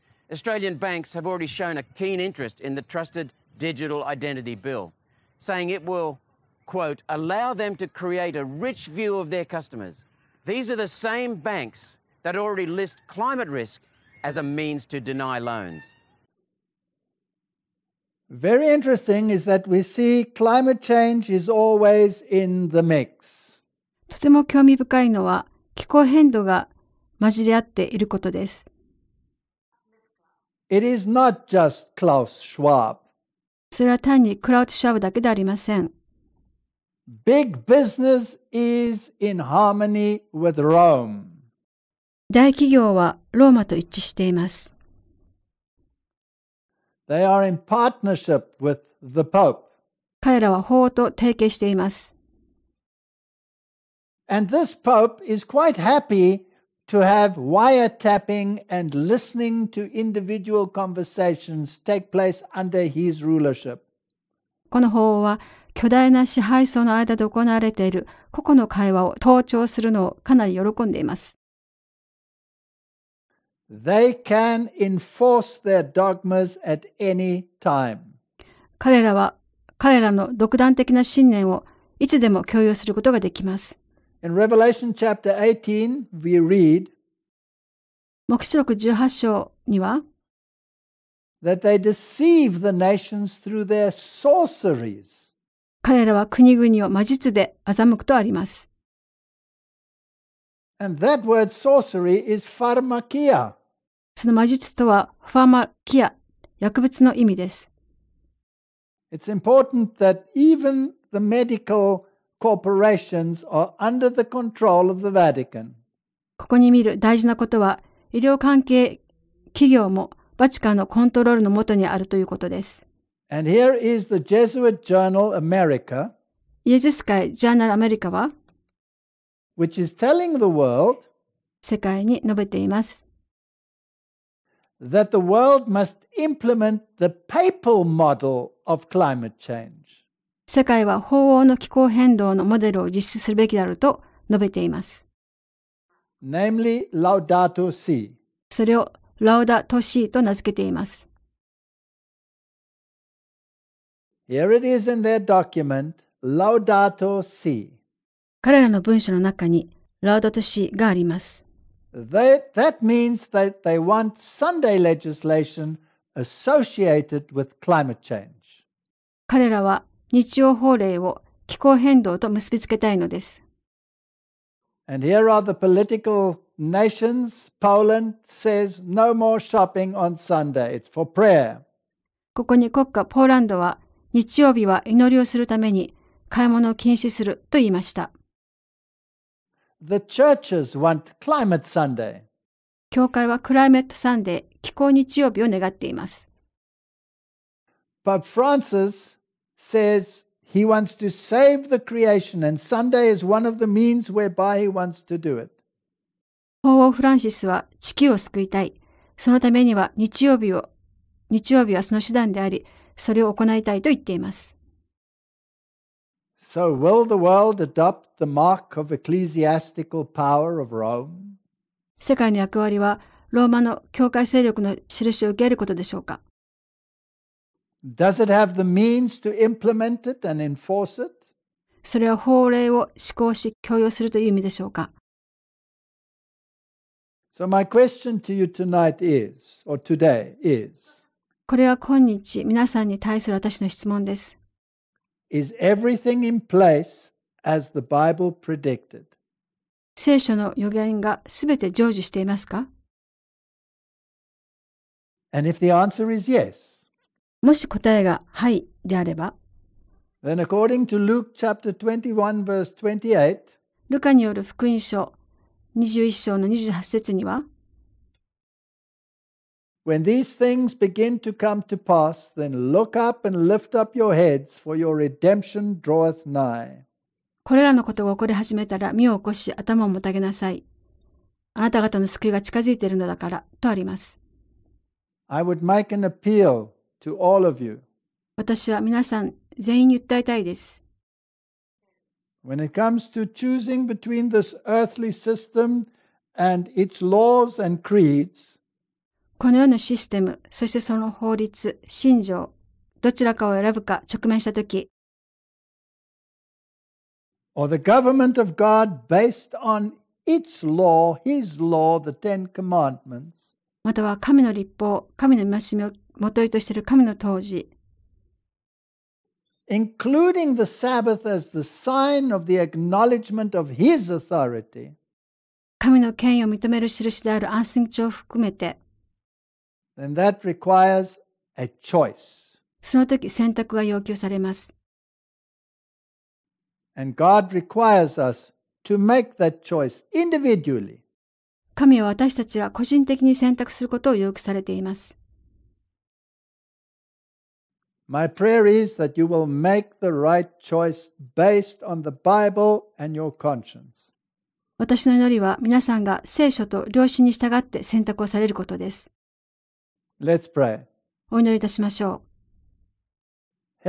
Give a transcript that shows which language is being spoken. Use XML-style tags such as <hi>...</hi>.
<en>Australian banks have already shown a keen interest in the Trusted Digital Identity Bill, saying it will, quote, allow them to create a rich view of their customers. These are the same banks that already list climate risk as a means to deny loans. Very interesting is that we see climate change is always in the mix.</en> <ja>とても興味深いのは気候変動が混じり合っていることです。</ja> <en>It is not just Klaus Schwab.</en> <ja>それは単にクラウト・シャブだけではありません。</ja> <en>Big business is in harmony with Rome.</en> <ja>大企業はローマと一致しています。</ja> <en>They are in partnership with the Pope.</en> <ja>彼らは法王と提携しています。</ja> <en>And this Pope is quite happy to have wiretapping and listening to individual conversations take place under his rulership.</en> <ja>この法王は巨大な支配層の間で行われている個々の会話を盗聴するのをかなり喜んでいます。</ja> <en>They can enforce their dogmas at any time.</en> <ja>彼らは彼らの独断的な信念をいつでも強要することができます。</ja> <en>In Revelation chapter 18, we read,</en> <ja>黙示録18章には</ja> <en>that they deceive the nations through their sorceries.</en> <ja>彼らは国々を魔術で欺くとあります。</ja> <en>And that word sorcery is pharmakia.</en> <ja>その魔術とはファーマキア、薬物の意味です。</ja> <en>It's important that even the medical corporations are under the control of the Vatican.</en> <ja>ここに見る大事なことは、医療関係企業もバチカンのコントロールのもとにあるということです。</ja> <en>And here is the Jesuit Journal America.</en> <ja>イエズス会ジャーナルアメリカは、</ja> <en>which is telling the world,</en> <ja>世界に述べています。</ja> <en>That the world must implement the papal model of climate change.</en> <ja>世界は法王の気候変動のモデルを実施するべきであると述べています。</ja> <en>Namely, Laudato Si.</en> <ja>それをラウダトシーと名付けています。</ja> <en>Here it is in their document, Laudato Si.</en> <ja>彼らの文書の中にラウダトシーがあります。</ja> <en>That means that they want Sunday legislation associated with climate change.</en> <ja>彼らは日曜法令を気候変動と結びつけたいのです。</ja> <en>And here are the political nations. Poland says no more shopping on Sunday. It's for prayer.</en> <ja>ここに国家ポーランドは日曜日は祈りをするために買い物を禁止すると言いました。</ja> <en>The churches want climate Sunday.</en> <ja>教会はクライメットサンデー、気候日曜日を願っています。</ja> <en>But Francis says he wants to save the creation and Sunday is one of the means whereby he wants to do it.</en> <ja>法王フランシスは地球を救いたい。そのためには日曜日はその手段であり、それを行いたいと言っています。</ja> <en>So will the world adopt the mark of ecclesiastical power of Rome?</en> <ja>世界の役割はローマの教会勢力の印を受けることでしょうか?</ja> <en>Does it have the means to implement it and enforce it?</en> <ja>それは法令を施行し強要するという意味でしょうか?</ja> <en>So my question to you tonight is, or today is,</en> <ja>これは今日皆さんに対する私の質問です。</ja> <en>Is everything in place as the Bible predicted?</en> <ja>聖書の予言がすべて成就していますか?</ja> <en>And if the answer is yes,</en> <ja>もし答えがはいであれば、</ja> <en>Then according to Luke chapter 21 verse 28,</en> <ja>ルカによる福音書21章の28節には、</ja> <en>When these things begin to come to pass, then look up and lift up your heads, for your redemption draweth nigh.</en> <ja>これらのことが起こり始めたら、身を起こし、頭をもたげなさい。あなた方の救いが近づいているのだから、とあります。</ja> <en>I would make an appeal to all of you.</en> <ja>私は皆さん全員に訴えたいです。</ja> <en>When it comes to choosing between this earthly system and its laws and creeds,</en> <ja>この世のシステム、そしてその法律、信条、どちらかを選ぶか直面したとき、</ja> <en>Or the government of God based on its law, his law, the Ten Commandments.</en> <ja>または神の律法、神の戒めを基としている神の統治、</ja> <en>including the Sabbath as the sign of the acknowledgement of his authority.</en> <ja>神の権威を認める印である安息日を含めて、</ja> <en>Then that requires a choice.</en> <ja>その時選択が要求されます。</ja> <en>And God requires us to make that choice individually.</en> <ja>神は私たちが個人的に選択することを要求されています。</ja> <en>My prayer is that you will make the right choice based on the Bible and your conscience.</en> <ja>私の祈りは皆さんが聖書と良心に従って選択をされることです。</ja> <en>Let's pray.</en> <ja>お祈りいたしましょう。</ja>